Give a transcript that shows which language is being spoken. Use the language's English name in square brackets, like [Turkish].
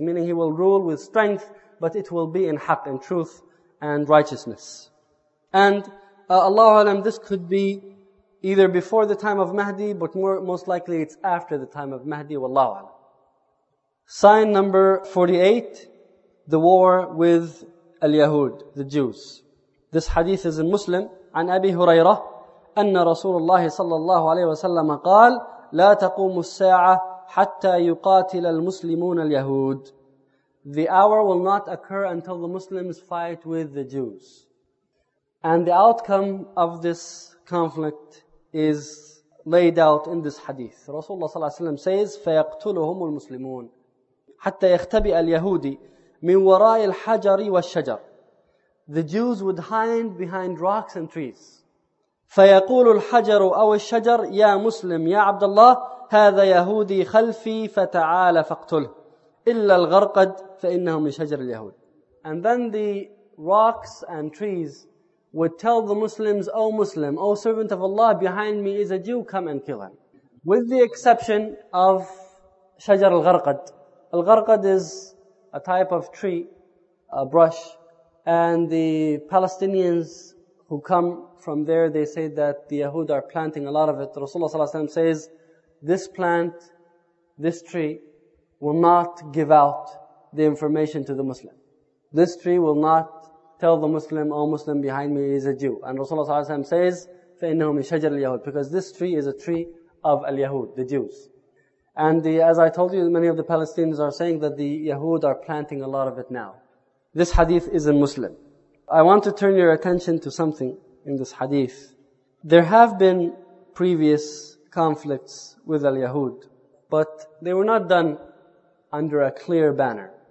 [English] Meaning he will rule with strength, but it will be in haq and truth and righteousness. And Allahu alam, this could be either before the time of Mahdi, but most likely it's after the time of Mahdi, wallahu a'lam. Sign number 48, the war with al-Yahud, the Jews. This hadith is in Muslim, [Arabic] عن أبي هريرة, أن رسول الله صلى الله عليه وسلم قال, لا تقوم الساعة حتى يقاتل المسلمون اليهود. [English] The hour will not occur until the Muslims fight with the Jews. And the outcome of this conflict is laid out in this hadith. [Arabic] Rasulullah sallallahu alayhi wa sallam says, فَيَقْتُلُهُمُ الْمُسْلِمُونَ حَتَّى يَخْتَبِئَ الْيَهُودِ مِنْ وَرَاءِ الْحَجَرِ وَالشَّجَرِ. [English] The Jews would hide behind rocks and trees. [Arabic] فَيَقُولُ الْحَجَرُ أَوْ الشَّجَرِ يَا مُسْلِمْ يَا عَبْدَ اللَّهِ هَذَا يَهُودِي خَلْفِي فَتَعَالَ فَاقْتُلْهُ إِلَّا الْغَرْقَدْ فَإِنَّهُ مِنْ شَجَرِ الْيَهُودِ. [English] And then the rocks and trees would tell the Muslims, O Muslim, O servant of Allah, behind me is a Jew, come and kill him. With the exception of Shajar al-Gharqad. Al-Gharqad is a type of tree, a brush, and the Palestinians who come from there, they say that the Yahud are planting a lot of it. Rasulullah ﷺ says, this plant, this tree, will not give out the information to the Muslim. This tree will not tell the Muslim, O Muslim, behind me is a Jew. And Rasulullah ﷺ says, [Arabic] فَإِنَّهُ مِنْ شَجَرِ الْيَهُودِ. [English] Because this tree is a tree of al-Yahud, the Jews. And the, as I told you, many of the Palestinians are saying that the Yahud are planting a lot of it now. This hadith is in Muslim. I want to turn your attention to something in this hadith. There have been previous conflicts with al-Yahud, but they were not done under a clear banner.